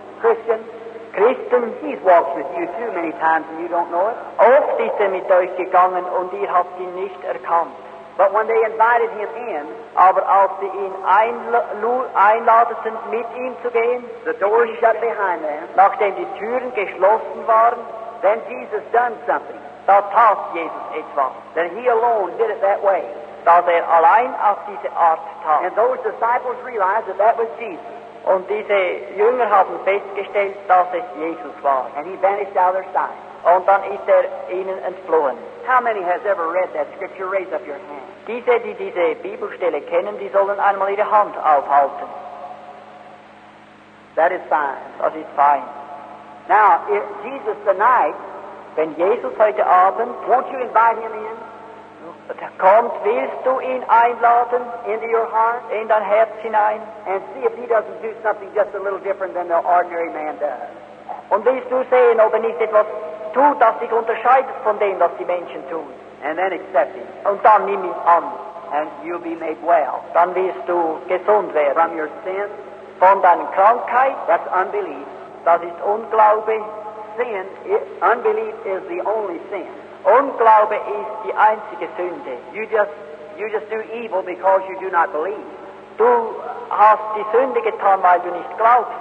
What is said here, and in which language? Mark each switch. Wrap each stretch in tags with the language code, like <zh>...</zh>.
<en>Christian, he's walked with you too many times and you don't know it.</en> <de>Oft ist mit euch gegangen und habt ihn nicht erkannt.</de> <en>But when they invited him in,</en> <de>aber als sie ihn einladeten, mit ihm zu gehen,</de> <en>the door shut behind them,</en> <de>nachdem die Türen geschlossen waren,</de> <en>then Jesus done something.</en> <de>Da tat Jesus etwas.</de> <en>That he alone did it that way.</en> <de>Da allein auf diese Art tat.</de> <en>And those disciples realized that that was Jesus.</en> <de>Und diese Jünger haben festgestellt, dass es Jesus war.</de> <en>And he vanished out of their sight.</en> <de>Und dann ist ihnen entflohen.</de> <en>How many has ever read that scripture? Raise up your hand.</en> <de>Diese, die diese Bibelstelle kennen, die sollen einmal ihre Hand aufhalten.</de> <en>That is fine.</en> <de>Das ist fein.</de> <en>Now, if Jesus tonight,</en> <de>wenn Jesus heute Abend,</de> <en>won't you invite him in?</en> <de>Kommt, willst du ihn einladen?</de> <en>Into your heart?</en> <de>In dein Herz hinein?</de> <en>And see if he doesn't do something just a little different than the ordinary man does.</en> <de>Und willst du sehen, ob er nicht etwas tut, das sich unterscheidet von dem, was die Menschen tun?</de> <en>And then accept him.</en> <de>Und dann nimm ihn an.</de> <en>And you'll be made well.</en> <de>Dann wirst du gesund werden.</de> <en>From your sin?</en> <de>Von deiner Krankheit?</de> <en>That's unbelief.</en> <de>Das ist Unglaube.</de> <en>Sin, unbelief is the only sin.</en> <de>Unglaube ist die einzige Sünde.</de> <en>You just do evil because you do not believe.</en> <de>Du hast die Sünde getan, weil du nicht glaubst.</de>